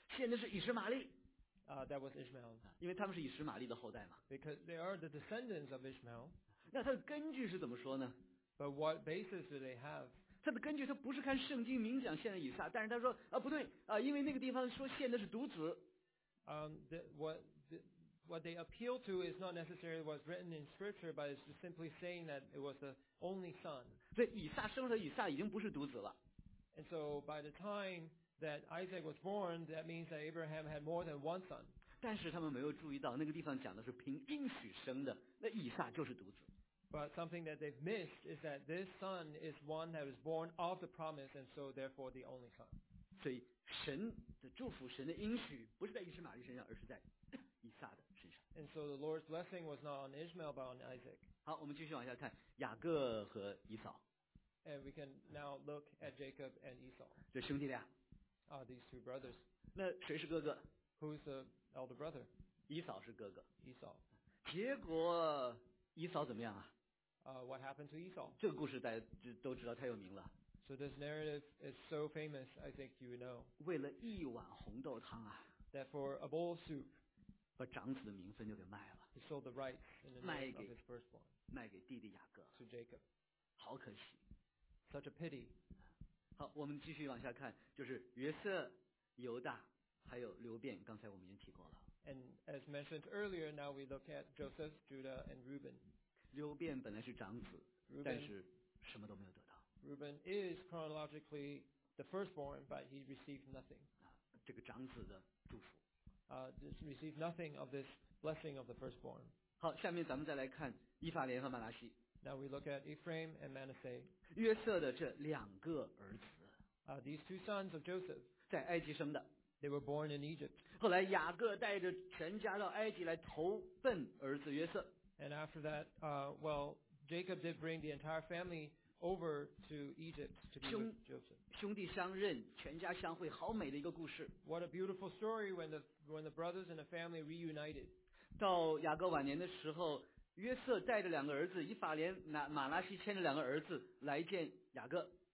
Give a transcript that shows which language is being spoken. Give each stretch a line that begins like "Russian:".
Chinese: 献的是以实玛利。
English: That was Ishmael.
Chinese: 因为他们是以实玛利的后代嘛。
English: Because they are the descendants of Ishmael.
Chinese: 那他的根据是怎么说呢？
English: But what basis do they have?
Chinese: 他的根据他不是看圣经明讲献的以撒，但是他说不对因为那个地方说献的是独子。
English: What they appeal to is not necessarily what's written in scripture, but it's just simply saying that it was the only son.
Chinese: 所以以撒生了以撒已经不是独子了。
English: And so by the time that Isaac was born, that means that Abraham had more than one son.
Chinese: 但是他们没有注意到那个地方讲的是凭应许生的，那以撒就是独子。
English: But something that they've missed is that this son is one that was born of the promise, and so therefore the only son.
Chinese: 所以神的祝福，神的应许不是在以实玛利身上，而是在以撒的身上。
English: And so the Lord's blessing was not on Ishmael but on Isaac.
Chinese: 好，我们继续往下看雅各和以扫。
English: And we can now look at Jacob and Esau.
Chinese: 这兄弟俩。
English: These two brothers.
Chinese: 那谁是哥哥？
English: Who's the elder brother?
Chinese: 以扫是哥哥。
English: Esau.
Chinese: 结果以扫怎么样啊？
English: What happened to Esau?
Chinese: 这个故事大家都知道，太有名了。
English: So this narrative is so famous, I think you know.
Chinese: 为了一碗红豆汤啊。
English: That for a bowl of soup.
Chinese: 把长子的名分就给卖了。
English: He sold the rights in the name of his firstborn.
Chinese: 卖给弟弟雅各。
English: To Jacob.
Chinese: 好可惜。
English: Such a pity.
Chinese: 好，我们继续往下看，就是约瑟、犹大还有流变，刚才我们已经提过了。
English: And as mentioned earlier, now we look at Joseph, Judah, and Reuben.
Chinese: 流变本来是长子，
English: Reuben,
Chinese: 但是什么都没有得到。
English: Reuben is chronologically the firstborn, but he received nothing.
Chinese: 这个长子的祝福。
English: Just received nothing of this blessing of the firstborn.
Chinese: 好，下面咱们再来看以法莲和马拿西。
English: Now we look at Ephraim and Manasseh.
Chinese: 约瑟的这两个儿子。
English: These two sons of Joseph.
Chinese: 在埃及生的。
English: They were born in Egypt.
Chinese: 后来雅各带着全家到埃及来投奔儿子约瑟。
English: And after that, Jacob did bring the entire family over to Egypt to be with Joseph.
Chinese: 兄弟相认，全家相会，好美的一个故事。
English: What a beautiful story when the brothers and the family reunited.
Chinese: 到雅各晚年的时候，约瑟带着两个儿子，以法莲、马拿西牵着两个儿子来见雅各。